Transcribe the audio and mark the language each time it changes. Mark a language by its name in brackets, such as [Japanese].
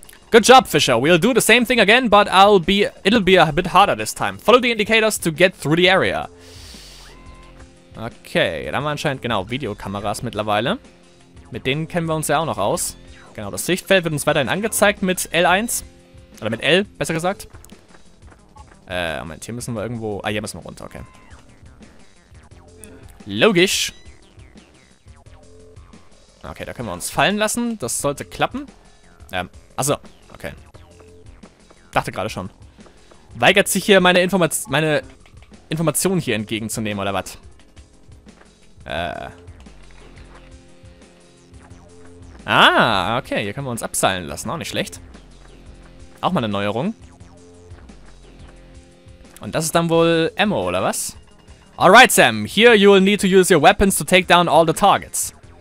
[English] Good job, Fischer, we'll do the same thing again, but it'll be a bit harder this time. Follow the indicators to get through the area. [German] Okay, dann haben wir anscheinend, genau, Videokameras mittlerweile. Mit denen kennen wir uns ja auch noch aus. Genau, das Sichtfeld wird uns weiterhin angezeigt mit L1. Oder mit L, besser gesagt. Moment, hier müssen wir irgendwo... Ah, hier müssen wir runter, okay. Logisch. Okay, da können wir uns fallen lassen. Das sollte klappen. Achso, okay. Dachte gerade schon. Weigert sich hier meine Informationen hier entgegenzunehmen, oder was? Ah, okay, hier können wir uns abseilen lassen, auch nicht schlecht. Auch mal eine Neuerung. Und das ist dann wohl Ammo, oder was? [English] Alright, Sam, here you will need to use your weapons to take down all the targets.